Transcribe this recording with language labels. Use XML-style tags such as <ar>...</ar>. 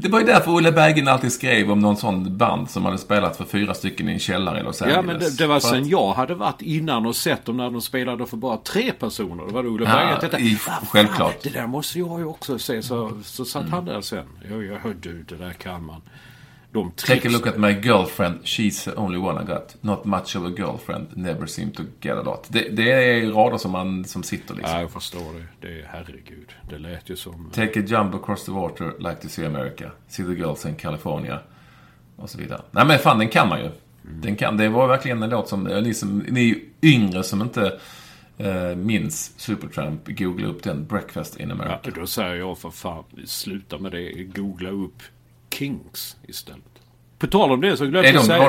<sv>Det var ju därför Olle Berggren alltid skrev om någon sån band som hade spelat för 4 stycken i en källare. Ja, men det var sen jag hade varit innan och sett dem när de spelade för bara 3 personer. Det var det Olle Berggren. Självklart. Det där måste jag ju också se. Så satt han där sen. Jag hörde, det där kan man.</sv> <en>De take a look at my girlfriend, she's the only one I got. Not much of a girlfriend, never seem to get a lot.</en> <sv>Det är rader som man som sitter liksom. Ja, jag förstår det. Det är herregud. Det lät ju som...</sv> <en>Take a jump across the water, like to see America. See the girls in California.</en> <sv>Och så vidare. Nej, men fan, den kan man ju. Mm. Den kan. Det var verkligen en låt som... Ni yngre som inte... minns Supertramp, googla upp den, Breakfast in America. Ja, då säger jag för fan, sluta med det, googla upp Kings istället. På tal om det så glömde jag säga,</sv>